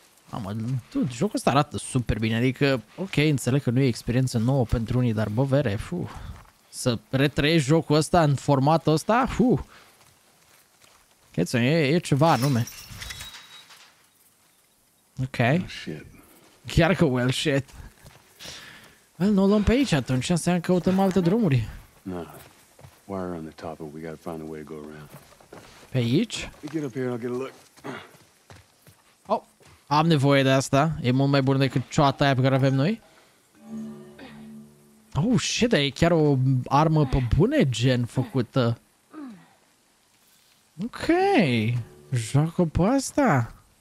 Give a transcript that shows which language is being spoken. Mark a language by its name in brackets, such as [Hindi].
[Romanian] Mamă, dude, jocul ăsta arată super bine, adică, ok, înțeleg că nu e experiență nouă pentru unii, dar, bă, vere, să retrăiești jocul ăsta în formatul ăsta, Cheță, e ceva anume. Ok. Chiar că, [English] well, shit. [Romanian] Well, nu o luăm pe aici atunci, înseamnă că căutăm alte drumuri. [English] No, wire on the top, we gotta find a way to go around. [Romanian] Pe aici? [English] Get up here and I'll get a look. [Romanian] Am nevoie de asta. E mult mai bun decât cioata aia pe care avem noi. [English] Oh, shit, [Romanian] e chiar o armă pe bune gen făcută. Ok. Joacă pe asta.